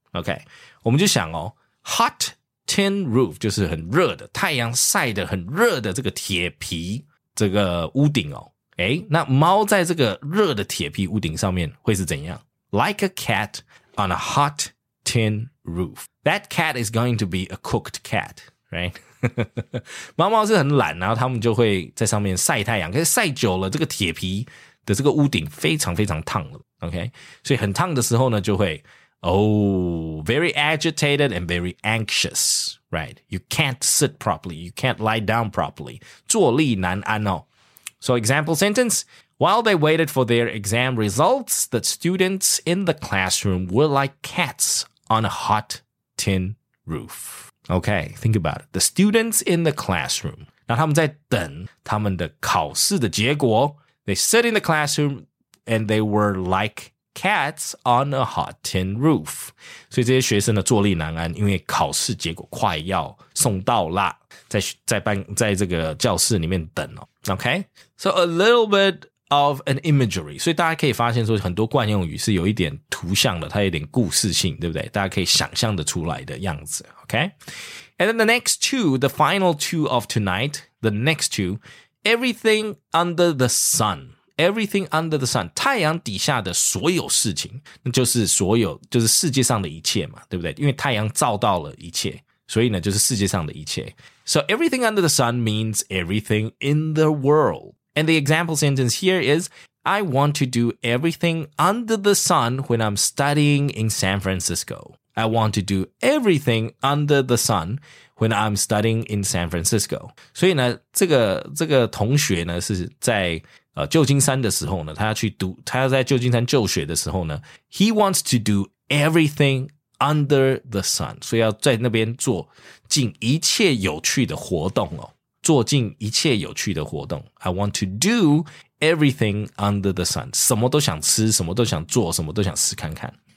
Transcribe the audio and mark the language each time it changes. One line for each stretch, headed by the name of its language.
Chinese: Okay, 我们就想哦 ,
English: hot tin roof
Chinese: 就是很热的太阳晒得很热的这个铁皮这个屋顶哦。诶那猫在这个热的铁皮屋顶上面会是怎样 ?
English: Like a cat on a hot tin roof. That cat is going to be a cooked cat, right?
Chinese: 猫猫是很懒，然后它们就会在上面晒太阳。可是晒久了，这个铁皮的这个屋顶非常非常烫了。
English: Okay,
Chinese: 所以很烫的时候呢，就会
English: oh, very agitated and very anxious, right? You can't sit properly, you can't lie down properly.
Chinese: 坐立难安哦。
English: So example sentence, while they waited for their exam results, the students in the classroom were like cats on a hot. Tin roof. Okay, think about it. The students in the classroom.
Chinese: 那他们在等他们的考试的结果。
English: They sit in the classroom and they were like cats on a hot tin roof.
Chinese: 所以这些学生呢坐立难安，因为考试结果快要送到啦，在这个教室里面等哦。
English: Okay, so a little bit of an imagery.
Chinese: 所以大家可以发现说很多惯用语是有一点图像的，它有点故事性，对不对？大家可以想象的出来的样子。
English: Okay? And then the next two, the final two of tonight, the next two, everything under the sun. Everything under the sun.
Chinese: 太阳底下的所有事情，那就是所有，就是世界上的一切嘛，对不对？因为太阳照到了一切，所以呢，就是世界上的一切。
English: So everything under the sun means everything in the world. And the example sentence here is, I want to do everything under the sun when I'm studying in San Francisco. I want to do everything under the sun when I'm studying in San Francisco.
Chinese: 所以呢，这个同学呢是在旧金山的时候呢，他要在旧金山就学的时候呢，
English: he wants to do everything under the sun.
Chinese: 所以要在那边做尽一切有趣的活动哦。做尽一切有趣的活动。
English: I want to do everything under the sun.
Chinese: 什么都想吃，什么都想做，什么都想试看看。